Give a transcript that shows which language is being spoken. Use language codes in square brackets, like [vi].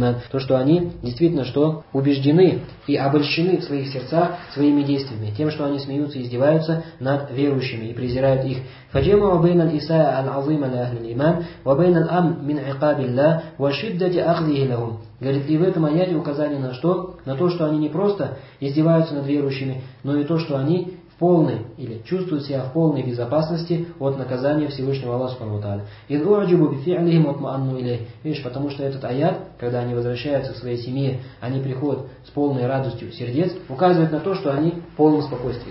[ru] То, что они действительно что убеждены и обольщены в своих сердцах своими действиями, тем, что они смеются и издеваются над верующими и презирают их. [ar] فجمع بين الإساءة العظيمة لأهل الإيمان وبين الأمن من عقاب الله وشدة أخذه لهم. [ru] Говорит, и в этом аяте указание на что? На то, что они не просто издеваются над верующими, но и то, что они в полной или чувствуют себя в полной безопасности от наказания Всевышнего Аллаха Субхану ва Тааля. И [ar] дуаджибу бифиалихим утмаанну илейх. [ru] Видишь, потому что этот аят, когда они возвращаются к своей семье, они приходят с полной радостью сердец, указывает на то, что они в полном спокойствии.